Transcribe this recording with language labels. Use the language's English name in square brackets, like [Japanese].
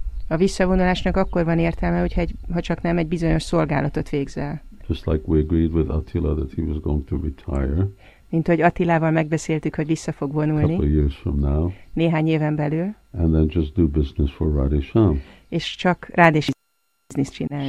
[Hungarian] A visszavonulásnak akkor van értelme, ha csak nem egy bizonyos szolgálatot végzel. [English] Just like we agreed with Attila that he was going to retire. [Hungarian] Mint hogy Attilával megbeszéltük, hogy vissza fog vonulni. [English] Couple years from now. [Hungarian] Néhány éven belül. [English] And then just do business for Radisham. [Hungarian] És csak Radisham business csinálni.